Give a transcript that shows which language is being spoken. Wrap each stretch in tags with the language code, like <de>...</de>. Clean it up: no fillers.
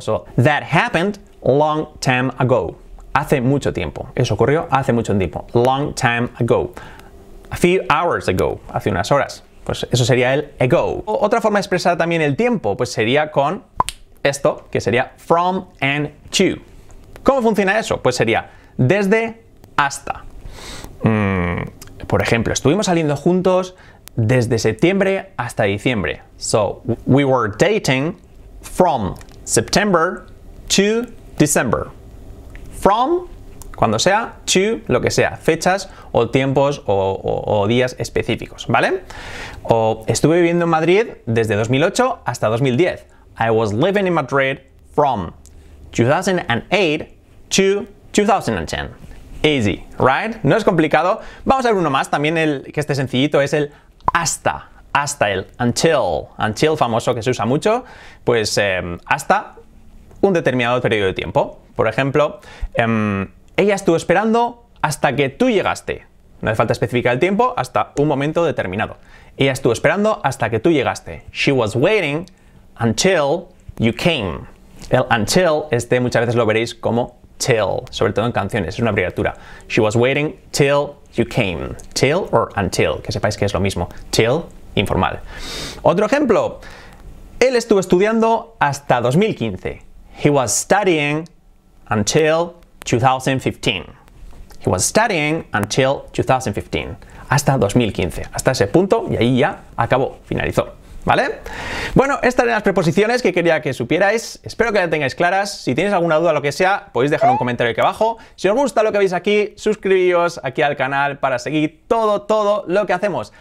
<en>So, that happened long time ago.</en> <es>Hace mucho tiempo. Eso ocurrió hace mucho tiempo.</es> <en>Long time ago. A few hours ago.</en> <es>Hace unas horas. Pues eso sería el ago. Otra forma de expresar también el tiempo, pues sería con esto, que sería from and to. ¿Cómo funciona eso? Pues sería desde hasta. Por ejemplo, estuvimos saliendo juntos desde septiembre hasta diciembre.</es> <en>So, we were dating from September to December.</en> <es>From, cuando sea, to, lo que sea, fechas o tiempos o días específicos, ¿vale? O estuve viviendo en Madrid desde 2008 hasta 2010.</es> <en>I was living in Madrid from 2008 to 2010. Easy, right?</en> <es>No es complicado. Vamos a ver uno más, también el que esté sencillito, es el hasta. Hasta el until. Until, famoso, que se usa mucho. Pues hasta un determinado periodo de tiempo. Por ejemplo, ella estuvo esperando hasta que tú llegaste. No hace falta especificar el tiempo, hasta un momento determinado. Ella estuvo esperando hasta que tú llegaste.</es> <en>She was waiting until you came.</en> <es>El until, este muchas veces lo veréis como till, sobre todo en canciones, es una abreviatura.</es> <en>She was waiting till you came.</en> <es>Till or until, que sepáis que es lo mismo. Till, informal. Otro ejemplo. Él estuvo estudiando hasta 2015.</es> <en>He was studying until 2015. He was studying until 2015.</en> <es>Hasta 2015. Hasta ese punto y ahí ya acabó, finalizó. ¿Vale? Bueno, estas eran las preposiciones que quería que supierais. Espero que las tengáis claras. Si tenéis alguna duda o lo que sea, podéis dejar un comentario aquí abajo. Si os gusta lo que veis aquí, suscribíos aquí al canal para seguir todo, todo lo que hacemos.</es>